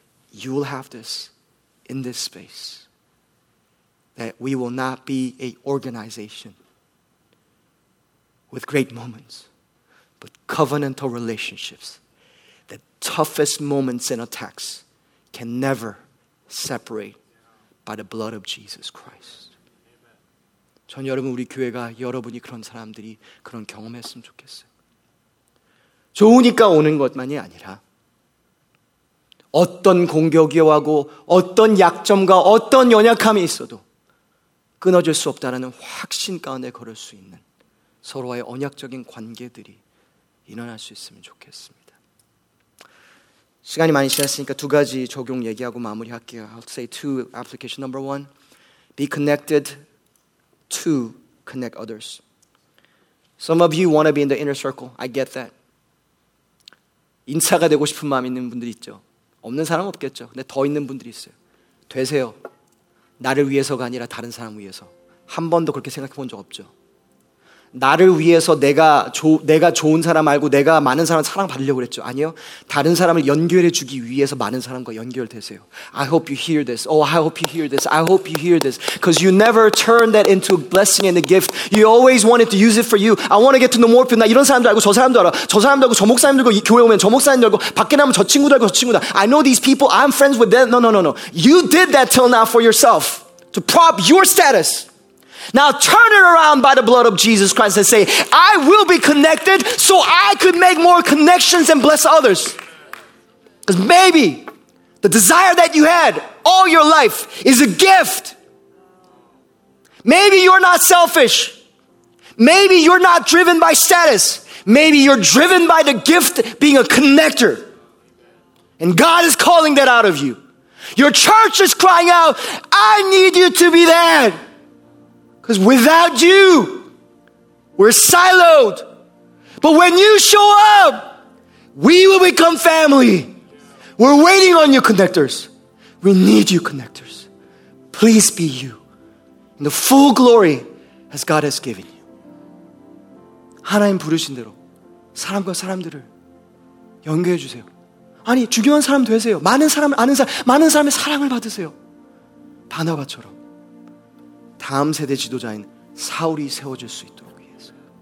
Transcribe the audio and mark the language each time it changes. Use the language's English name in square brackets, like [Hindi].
[English] You will have this in this space. That we will not be an organization with great moments, but covenantal relationships. The toughest moments and attacks can never separate by the blood of Jesus Christ. [Korean] 전 여러분 우리 교회가 여러분이 그런 사람들이 그런 경험했으면 좋겠어요. 좋으니까 오는 것만이 아니라 어떤 공격이 와고 어떤 약점과 어떤 연약함이 있어도 끊어질 수 없다는 확신 가운데 걸을 수 있는 서로와의 언약적인 관계들이 일어날 수 있으면 좋겠습니다. 시간이 많이 지났으니까 두 가지 적용 얘기하고 마무리할게요. [English] I'll say two application. Number one, be connected to connect others. Some of you want to be in the inner circle. I get that. [Korean] 인사가 되고 싶은 마음 있는 분들이 있죠. 없는 사람 없겠죠. 근데 더 있는 분들이 있어요. 되세요. 나를 위해서가 아니라 다른 사람 위해서. 한 번도 그렇게 생각해 본 적 없죠. 나를 위해서 내가 좋은 사람 알고 내가 많은 사람 사랑받으려고 그랬죠. 아니요. 다른 사람을 연결해 주기 위해서 많은 사람과 연결되세요. [English] I hope you hear this. Oh, I hope you hear this. I hope you hear this. Because you never turn that into a blessing and a gift. You always wanted to use it for you. I want to get to know more people. [Korean] 나 이런 사람도 알고 저 사람도 알아. 저 사람도 알고 저 목사님도 알고 교회 오면 저 목사님도 알고 밖에 나면 저 친구도 알고 저 친구다. [English] I know these people. I'm friends with them. No. You did that till now for yourself. To prop your status. Now turn it around by the blood of Jesus Christ and say, I will be connected so I could make more connections and bless others. Because maybe the desire that you had all your life is a gift. Maybe you're not selfish. Maybe you're not driven by status. Maybe you're driven by the gift being a connector. And God is calling that out of you. Your church is crying out, I need you to be that. Because without you, we're siloed. But when you show up, we will become family. We're waiting on you, connectors. We need you, connectors. Please be you in the full glory as God has given you. [Korean] 하나님 부르신 대로 사람과 사람들을 연결해 주세요. 아니, 중요한 사람 되세요. 많은 사람을 아는 사람, 많은 사람의 사랑을 받으세요. 바나바처럼. 다음 세대 지도자인 사울이 세워질 수 있도록 위해서.